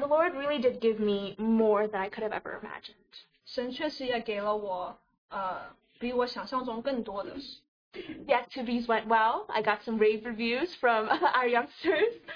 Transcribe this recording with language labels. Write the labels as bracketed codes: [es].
[en] the Lord really did give me more than I could have ever imagined. [zh] 神确实也给了我比我想象中更多的事。 [en] The activities went well. I got some rave reviews from our youngsters.